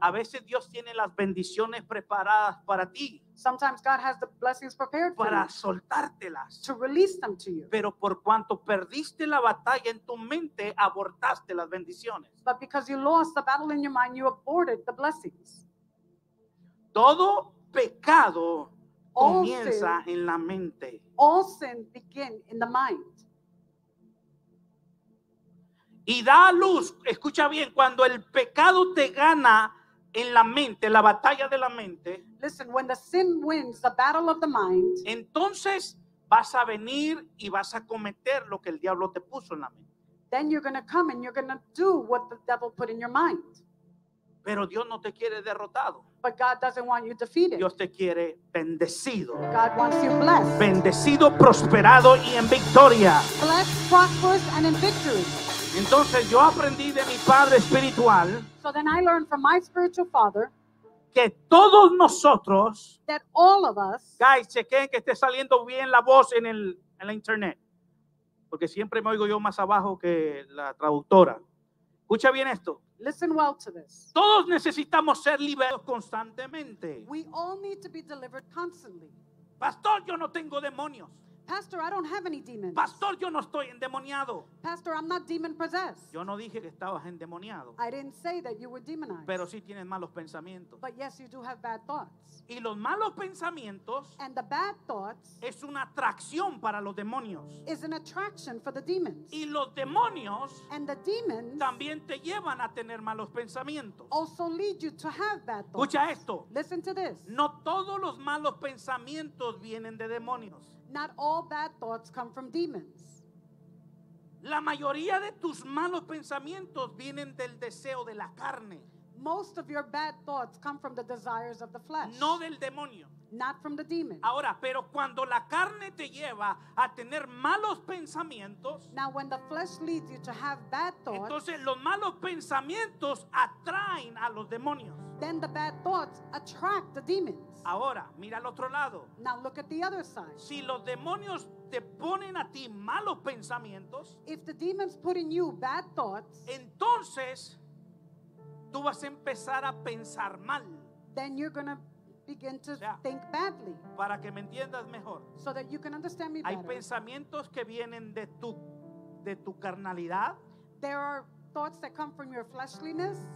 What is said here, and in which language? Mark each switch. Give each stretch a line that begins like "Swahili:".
Spanish: A veces Dios tiene las bendiciones preparadas para ti.
English: Sometimes God has the blessings prepared
Spanish: para
English: for you.
Spanish: Para soltártelas.
English: To release them to you.
Spanish: Pero por cuanto perdiste la batalla en tu mente, abortaste las bendiciones.
English: But because you lost the battle in your mind, you aborted the blessings.
Spanish: Todo pecado comienza en la mente.
English: All sin begins in the mind.
Spanish: Y da a luz, escucha bien, cuando el pecado te gana en la mente, la batalla de la mente.
English: Listen, when the sin wins the battle of the mind.
Spanish: Entonces vas a venir y vas a cometer lo que el diablo te puso en la mente.
English: Then you're going to come and you're going to do what the devil put in your mind.
Spanish: Pero Dios no te quiere derrotado.
English: But God doesn't want you defeated.
Spanish: Dios te quiere bendecido.
English: God wants you blessed.
Spanish: Bendecido, prosperado y en victoria.
English: Blessed, prosperous and in victory.
Spanish: Entonces yo aprendí de mi padre espiritual.
English: So then I learned from my spiritual father.
Spanish: Que todos nosotros.
English: That all of us.
Spanish: Guys, chequen que esté saliendo bien la voz en la internet. Porque siempre me oigo yo más abajo que la traductora. Escucha bien esto.
English: Listen well to this.
Spanish: Todos necesitamos ser liberados constantemente.
English: We all need to be delivered constantly.
Spanish: Pastor, yo no tengo demonios.
English: Pastor, I don't have any demons.
Spanish: Pastor, yo no estoy endemoniado.
English: Pastor, I'm not demon possessed.
Spanish: Yo no dije que estabas endemoniado.
English: I didn't say that you were demonized.
Spanish: Pero sí tienes malos pensamientos.
English: But yes, you do have bad thoughts.
Spanish: Y los malos pensamientos.
English: And the bad thoughts.
Spanish: Es una atracción para los demonios.
English: Is an attraction for the demons.
Spanish: Y los demonios.
English: And the demons.
Spanish: También te llevan a tener malos pensamientos.
English: Also lead you to have bad thoughts.
Spanish: Escucha esto.
English: Listen to this.
Spanish: No todos los malos pensamientos vienen de demonios.
English: Not all bad thoughts come from demons.
Spanish: La mayoría de tus malos pensamientos vienen del deseo de la carne.
English: Most of your bad thoughts come from the desires of the flesh.
Spanish: No del demonio.
English: Not from the demon.
Spanish: Ahora, pero cuando la carne te lleva a tener malos pensamientos.
English: Now when the flesh leads you to have bad thoughts.
Spanish: Entonces los malos pensamientos atraen a los demonios.
English: Then the bad thoughts attract the demons.
Spanish: Ahora, mira al otro lado.
English: Now look at the other side.
Spanish: Si los demonios te ponen a ti malos pensamientos.
English: If the demons put in you bad thoughts.
Spanish: Entonces, tú vas a empezar a pensar mal.
English: then you're going to begin to think badly.
Spanish: Para que me entiendas mejor.
English: So that you can understand me better.
Spanish: Hay pensamientos que vienen de tu carnalidad.
English: There are thoughts that come from your fleshliness.